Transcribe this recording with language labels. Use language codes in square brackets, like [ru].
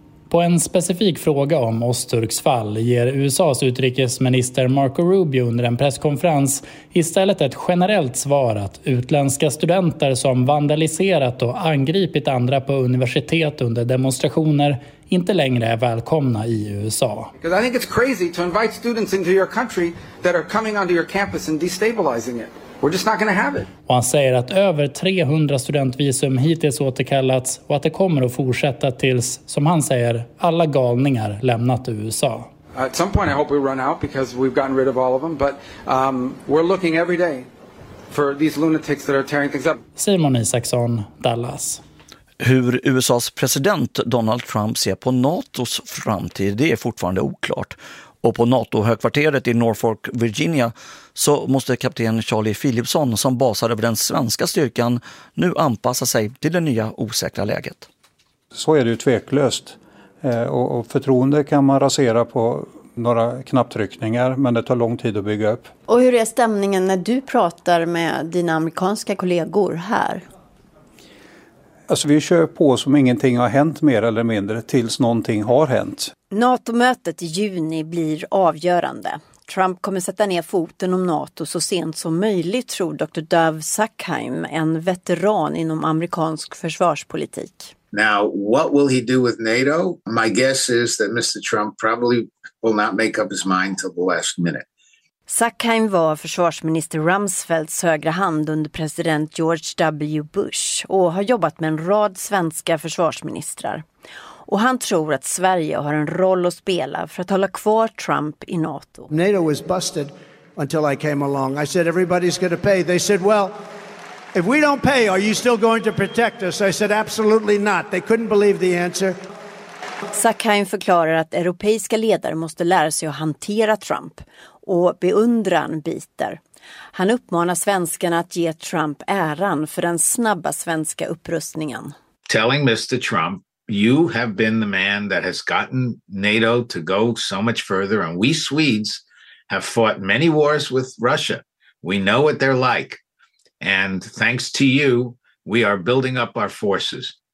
[sv] På en specifik fråga om Öztürks fall ger USAs utrikesminister Marco Rubio under en presskonferens istället ett generellt svar att utländska studenter som vandaliserat och angripit andra på universitet under demonstrationer inte längre är välkomna i USA. [en] Because I think it's crazy to invite students into your country that are coming onto your campus and destabilizing it. We're just not going to have it. [sv] Och han säger att över 300 studentvisum hittills återkallats och att det kommer att fortsätta tills, som han säger, alla galningar lämnat USA. [en] At some point I hope we run out because we've gotten rid of all of them, but we're looking every day for these lunatics that are tearing things up. [sv] Simon Isaksson, Dallas. Hur USAs president Donald Trump ser på NATOs framtid, det är fortfarande oklart. Och på NATO-högkvarteret i Norfolk, Virginia, så måste kapten Charlie Philipson, som basar över den svenska styrkan, nu anpassa sig till det nya osäkra läget. Så är det ju tveklöst. Och förtroende kan man rasera på några knapptryckningar, men det tar lång tid att bygga upp. Och hur är stämningen när du pratar med dina amerikanska kollegor här? Alltså, vi kör på som ingenting har hänt, mer eller mindre, tills någonting har hänt. NATO-mötet i juni blir avgörande. Trump kommer sätta ner foten om NATO så sent som möjligt, tror Dr. Dov Zakheim, en veteran inom amerikansk försvarspolitik. [en] Now, what will he do with NATO? My guess is that Mr. Trump probably will not make up his mind till the last minute. [sv] Zakheim var försvarsminister Rumsfelds högra hand under president George W. Bush och har jobbat med en rad svenska försvarsministrar. Och han tror att Sverige har en roll att spela för att hålla kvar Trump i NATO. [en] NATO was busted until I came along. I said everybody's going to pay. They said, well, if we don't pay, are you still going to protect us? I said absolutely not. They couldn't believe the answer. [sv] Zakheim förklarar att europeiska ledare måste lära sig att hantera Trump och beundran biter. Han uppmanar svenskarna att ge Trump äran för den snabba svenska upprustningen. [en] Telling Mr. Trump, you have been the man that has gotten NATO to go so much further, and we Swedes have fought many wars with Russia. We know what they're like. And thanks to you, we are building up our forces.